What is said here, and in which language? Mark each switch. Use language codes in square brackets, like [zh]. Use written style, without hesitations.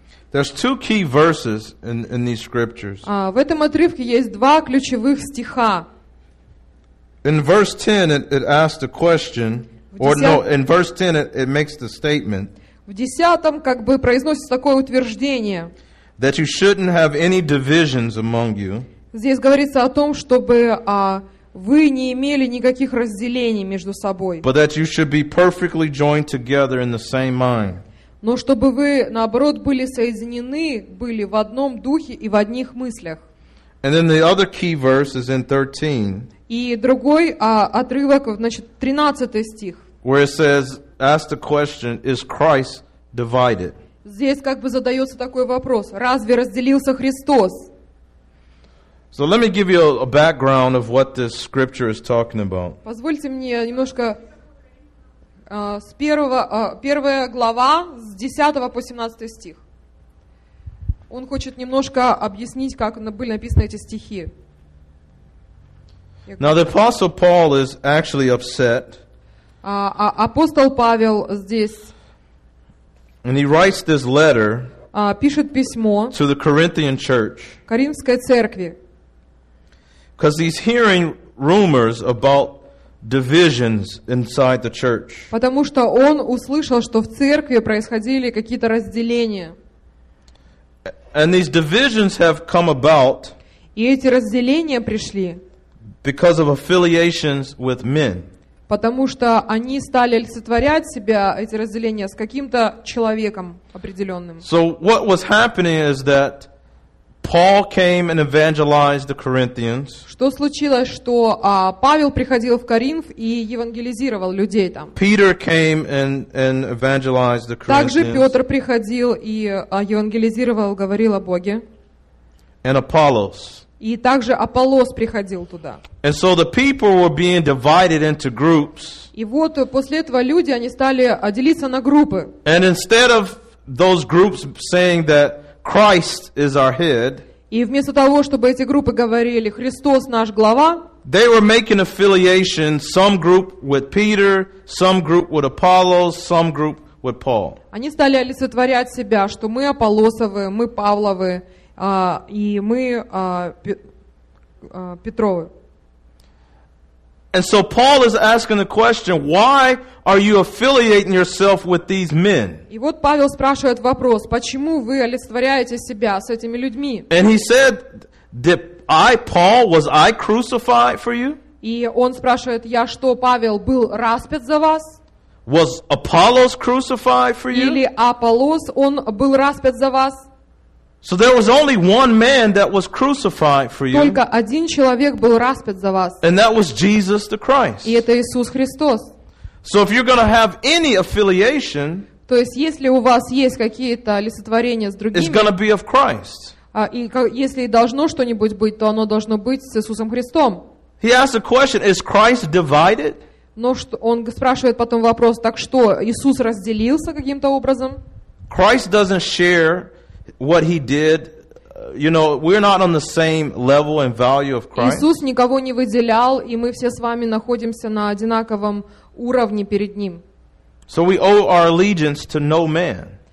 [en] There's two key verses in these scriptures. [ru] В этом отрывке есть два ключевых стиха. [en] In verse 10 it asks the question, in verse 10 it makes the statement. [ru] В десятом как бы произносится такое утверждение. [en] That you shouldn't have any divisions among you. [ru] Здесь говорится о том, чтобы вы не имели никаких разделений между собой. [en] But that you should be perfectly joined together in the same mind. [ru] Но чтобы вы, наоборот, были соединены, были в одном духе и в одних мыслях. [en] And then the other key verse is in 13. [ru] И другой отрывок, значит, 13 стих. [en] Where it says, ask the question, is Christ divided? [ru] Здесь как бы задается такой вопрос, разве разделился Христос? [en] So let me give you a background of what this scripture is talking about. [ru] Позвольте мне немножко... С первого, первая глава, с 10 по 17 стих. Он хочет немножко объяснить, как были написаны эти стихи. [en] Now, the Apostle Paul is actually upset. [ru] Апостол Павел здесь. [en] And he writes this letter. [ru] Пишет письмо. [en] To the Corinthian church. [ru] Коринфской церкви. [en] Because he's hearing rumors about divisions inside the church. [ru] Потому что он услышал, что в церкви происходили какие-то разделения. [en] And these divisions have come about. [ru] И эти разделения пришли. [en] Because of affiliations with men. [ru] Потому что они стали олицетворять себя эти разделения с каким-то человеком определенным. [en] So what was happening is that Paul came and evangelized the Corinthians. [ru] Что случилось, что Павел приходил в Коринф и евангелизировал людей там. [en] Peter came and evangelized the Corinthians. [ru] Также Петр приходил и евангелизировал, говорил о Боге. [en] And Apollos. [ru] И также Аполлос приходил туда. [en] And so the people were being divided into groups. [ru] И вот после этого люди они стали делиться на группы. [en] And instead of those groups saying that Christ is our head. [ru] И вместо того, чтобы эти группы говорили, Христос наш глава. [en] They were making affiliation, some group with Peter, some group with Apollos, some group with Paul. [ru] Они стали олицетворять себя, что мы Аполлосовы, мы Павловы, и мы Петровы. [en] And so Paul is asking the question, why are you affiliating yourself with these men? [ru] И вот Павел спрашивает вопрос, почему вы олицетворяете себя с этими людьми? [en] And he said, did I, Paul, was I crucified for you? [ru] И он спрашивает, я что, Павел, был распят за вас? [en] Was Apollos crucified for you? [ru] Или Аполлос, он был распят за вас? [en] So there was only one man that was crucified for you. [ru] Только один человек был распят за вас. [en] And that was Jesus the Christ. [ru] И это Иисус Христос. [en] So if you're going to have any affiliation, [ru] то есть если у вас есть какие-то олицетворения с другими, [en] it's going to be of Christ. [ru] И если должно что-нибудь быть, то оно должно быть с Иисусом Христом. [en] He asked a question, is Christ divided? [ru] Но что, он спрашивает потом вопрос, так что Иисус разделился каким-то образом? [en] Christ doesn't share what he did, you know, we're not on the same level and value of Christ. [ru] Иисус никого не выделял, и мы все с вами находимся на одинаковом уровне перед ним. [en] So we owe our allegiance to no man.